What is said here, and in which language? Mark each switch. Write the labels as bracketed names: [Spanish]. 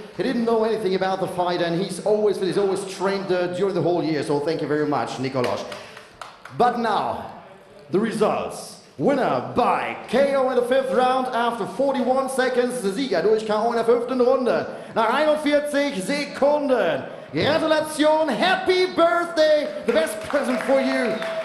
[English] He didn't know anything about the fight and he's always trained during the whole year. So thank you very much, Nikolaj. But now, the results. Winner by KO in the fifth round after 41 seconds. [German] Der Sieger durch KO in der fünften Runde nach 41 Sekunden. [English] Gratulation, happy birthday, the best present for you.